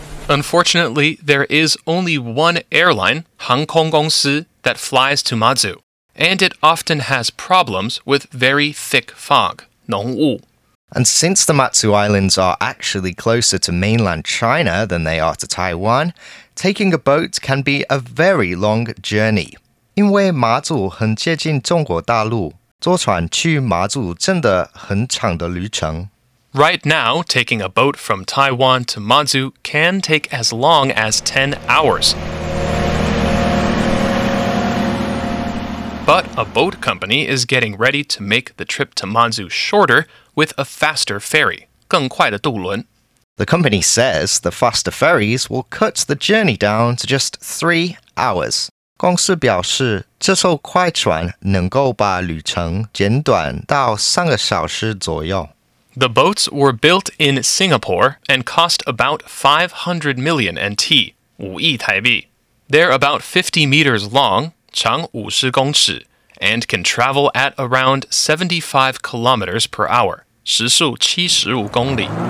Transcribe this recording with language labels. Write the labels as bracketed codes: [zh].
[en] Unfortunately, there is only one airline, Hangkong Gongsi, that flies to Matsu, and it often has problems with very thick fog, 浓雾. And since the Matsu Islands are actually closer to mainland China than they are to Taiwan,Taking a boat can be a very long journey. [zh] 因为马祖很接近中国大陆,坐船去马祖真的很长的旅程。 [en] Right now, taking a boat from Taiwan to Matsu can take as long as 10 hours. But a boat company is getting ready to make the trip to Matsu shorter with a faster ferry, [zh] 更快的渡轮。 [en] The company says the faster ferries will cut the journey down to just 3 hours. [zh] 公司表示这艘快船能够把旅程减短到三个小时左右。 [en] The boats were built in Singapore and cost about 500 million NT, 五亿台币。 They're about 50 meters long, [zh] 长五十公尺, [en] and can travel at around 75 kilometers per hour, [zh] 时速七十五公里。